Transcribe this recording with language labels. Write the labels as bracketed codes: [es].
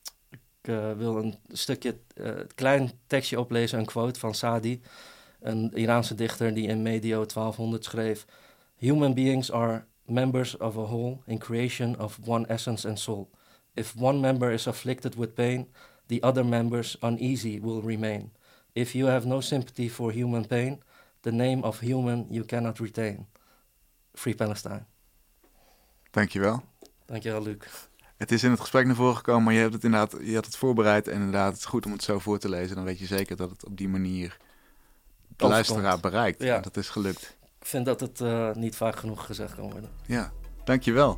[nl] En ik wil een klein tekstje oplezen, een quote van Saadi, een Iraanse dichter die in medio 1200 schreef: [en] "Human beings are members of a whole in creation of one essence and soul. If one member is afflicted with pain, the other members uneasy will remain. If you have no sympathy for human pain, the name of human you cannot retain. Free Palestine." [nl] Dankjewel. Dankjewel, Luc. Het is in het gesprek naar voren gekomen, maar je had het voorbereid. En inderdaad, het is goed om het zo voor te lezen. Dan weet je zeker dat het op die manier de luisteraar bereikt. Ja. En dat is gelukt. Ik vind dat het niet vaak genoeg gezegd kan worden. Ja, dankjewel.